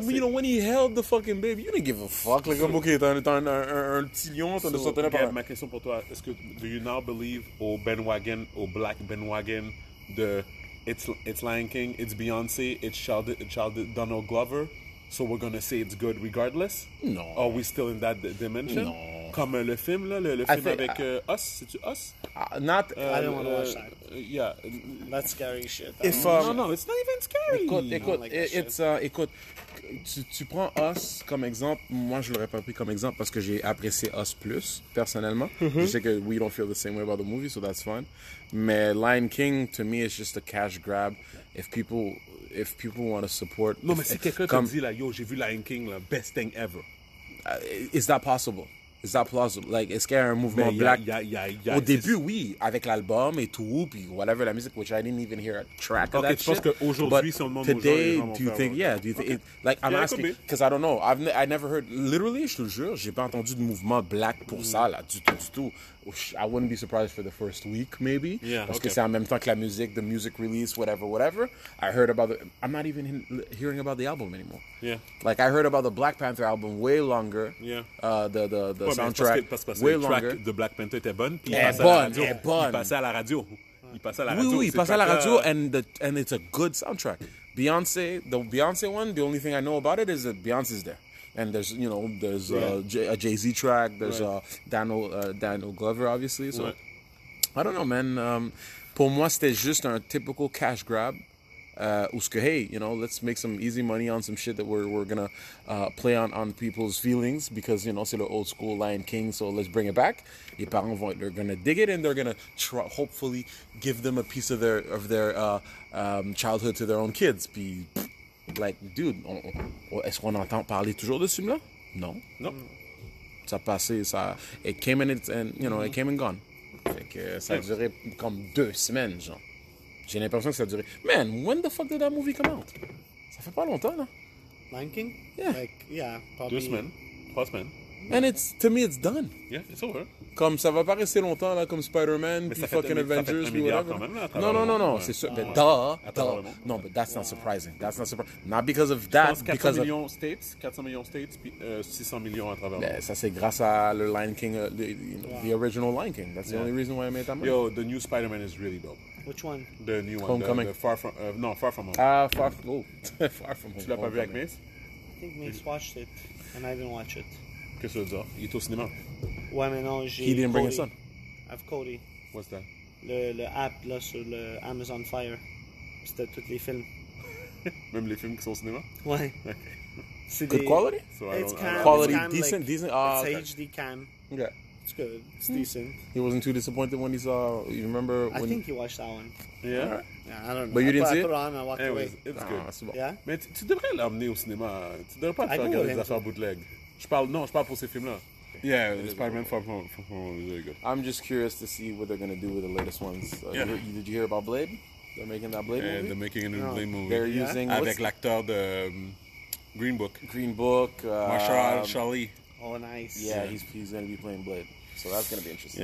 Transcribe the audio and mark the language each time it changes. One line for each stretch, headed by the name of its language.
English: you know, when he held the fucking baby, you didn't give a fuck.
French: Like, OK, t'as un petit lion, t'as de sauter par... Ma question pour toi, est-ce que...
English: Do you now believe
French: au bandwagon, au black bandwagon de...
English: It's Lion King, it's Beyoncé, it's Childish Donald Glover... So we're gonna say it's good regardless. No. Are we still in that dimension? No.
French: Comme le film là, le film avec Us. C'est Us?
English: Not. I don't want to watch that. Yeah. That's scary shit. No, it's not even scary.
French: Écoute. Tu prends Us comme exemple. Moi, je l'aurais pas pris comme exemple parce que j'ai apprécié Us plus personnellement. Je sais que
English: we don't feel the same way about the movie, so that's fine. Mais Lion King, to me, is just a cash grab. If people want to support...
French: Non, mais si quelqu'un te dit, là, yo, j'ai vu Lion King, là,
English: best thing ever. Is that possible? Is that plausible?
French: Like, est-ce qu'il y a un mouvement black? Au début, oui, avec l'album et tout, puis
English: whatever
French: la musique,
English: which I didn't even hear a track of that shit.
French: Okay, je pense qu'aujourd'hui, c'est le moment
English: today, do you think, yeah, do you think, like, I'm asking, because I don't know, I never heard, literally,
French: je te le jure, j'ai pas entendu de mouvement black pour ça, là, du tout,
English: du tout. I wouldn't be surprised for the first week, maybe, yeah,
French: parce que c'est en même temps que la musique,
English: the music release, whatever, whatever. I heard about the, I'm not even hearing about the album anymore. Yeah. Like, I heard about the Black Panther album way longer. Yeah. The ouais, soundtrack, parce way longer. Parce que
French: le track de Black Panther était bonne, puis il passait à la radio. Il passait à la radio. Oui, oui, il passait à la radio,
English: and it's a good soundtrack. Beyoncé, the Beyoncé one, the only thing I know about it is that Beyoncé is there. And there's, you know, there's a Jay-Z track. There's Daniel Glover, obviously. So, ouais. I don't know, man.
French: Pour moi, c'était juste un
English: typical cash grab. Où hey, you know, let's make some easy money on some shit that we're gonna play on people's feelings because, you know,
French: c'est le old school Lion King,
English: so let's bring it back.
French: Les parents vont,
English: they're gonna dig it and they're gonna try, hopefully give them a piece of their childhood to their own kids.
French: Puis, like, dude, est-ce qu'on entend parler toujours de ce film-là? Non. Non. Ça a passé, ça.
English: It came and it's, and, you know, it came and gone.
French: Fait que ça a duré comme deux semaines, genre. J'ai l'impression que ça a duré.
English: Man, when the fuck did that movie come out?
French: Ça fait pas longtemps, là.
English: Lion King? Yeah. Like, yeah, probably.
French: Deux semaines. Trois semaines.
English: And it's, to me, it's done. Yeah, it's over.
French: Comme ça va pas rester longtemps, là, comme Spider-Man, puis fucking Avengers, puis whatever. Même, là, non, ouais. C'est sûr. Mais
English: duh. Non, but that's not surprising. That's not surprising. Not because of that, because
French: 400 millions states, puis 600 millions à travers. Mais ça, c'est grâce à le Lion King,
English: the original Lion King. That's the only reason why I made that movie. Yo, the new Spider-Man is really dope. Which one? The new one. Homecoming. Far From Home. Ah, Far From Home. Far From Home.
French: Tu l'as pas vu avec Mace?
English: I think Mace watched it, and I didn't watch it.
French: Qu'est-ce que tu veux dire? Il est au cinéma. Ouais, mais non, j'ai.
English: He didn't bring his son. I have Cody. What's that?
French: Le app là sur le Amazon Fire. C'était tous les films. Même les films qui sont au cinéma? Ouais. Okay. C'est good des... quality?
English: So it's cam. Quality it's cam, decent? Like, decent? Oh, it's okay. HD cam. Okay. It's good. It's decent. He wasn't too disappointed when he saw. You remember? When I think he watched that one. Yeah? Yeah, I don't know. But you didn't see it? I put it on and I walked anyways, away. It's good.
French: C'est bon.
English: Yeah?
French: Mais tu devrais l'amener au cinéma. Tu devrais pas te faire regarder des affaires bootleg. Je parle pour ces films-là.
English: Yeah, Spider-Man from is really good. I'm just curious to see what they're going to do with the latest ones. Did you hear about Blade? They're making that Blade movie? They're making a new Blade movie. They're using...
French: Avec l'acteur de Green Book.
English: Green Book. Marshall Charlie. Oh, nice. Yeah, he's going to be playing Blade. So that's going to be interesting.